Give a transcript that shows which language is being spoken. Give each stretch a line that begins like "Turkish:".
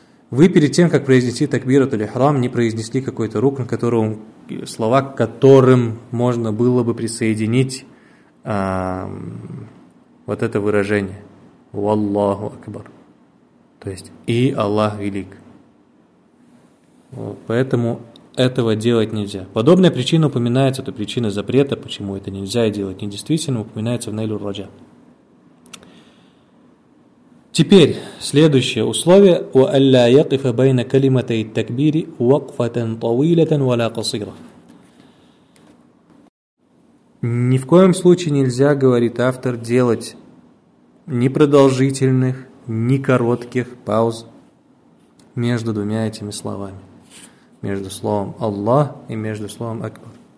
Russian: Вы перед тем, как произнести такбират аль-ихрам, не произнесли какой-то рукн, слова к которым можно было бы присоединить вот это выражение «Валлаху акбар», то есть «И Аллах велик». Вот, поэтому этого делать нельзя. Подобная причина упоминается, это причина запрета, почему это нельзя делать недействительно, упоминается в «Найлу Раджа». Теперь следующее условие:
Arabic: وَأَلَّا يَقِفَ بَيْنَ كَلِمَتَيْ التَّكْبِيرِ وَقْفَةً طَوِيلَةً وَلَا قَصِيرًا.
Russian: Ни в коем случае нельзя, говорит автор, делать ни продолжительных, ни коротких пауз между двумя этими словами, между словом «Аллах» и между словом «Акбар».